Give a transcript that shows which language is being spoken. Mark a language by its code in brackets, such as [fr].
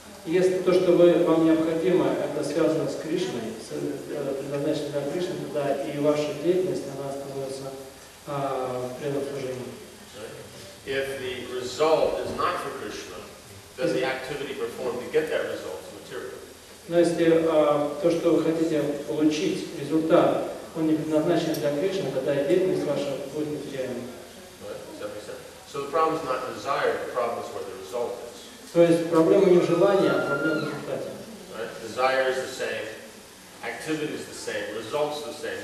[ru] Если то, что вы, вам необходимо, это связано с Кришной, с предназначенной для Кришны, тогда и ваша деятельность, она становится предотвращением. [en] If the result is not for Krishna, then the activity performed to get that result is material. [ru] Но если то, что вы хотите получить, результат, он не предназначен для Кришны, тогда и деятельность ваша будет материальной. [en] So the problem is not desire, the problem is where the result is. [ru] То есть проблема не в желании, а проблема в результате. [en] Desire is the same, activity is the same, results the same.